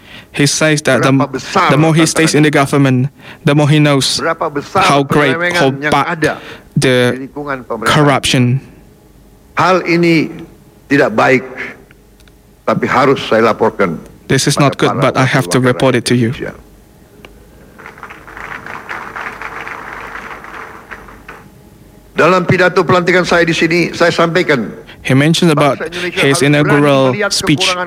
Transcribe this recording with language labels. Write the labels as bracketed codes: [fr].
[en] He says that the more he stays in the government, the more he knows how great the corruption. [id] Hal ini tidak baik, tapi harus saya laporkan. [en] This is not good, but I have to report it to you. [id] Dalam pidato pelantikan saya di sini, saya sampaikan. [en] He mentioned about his inaugural speech.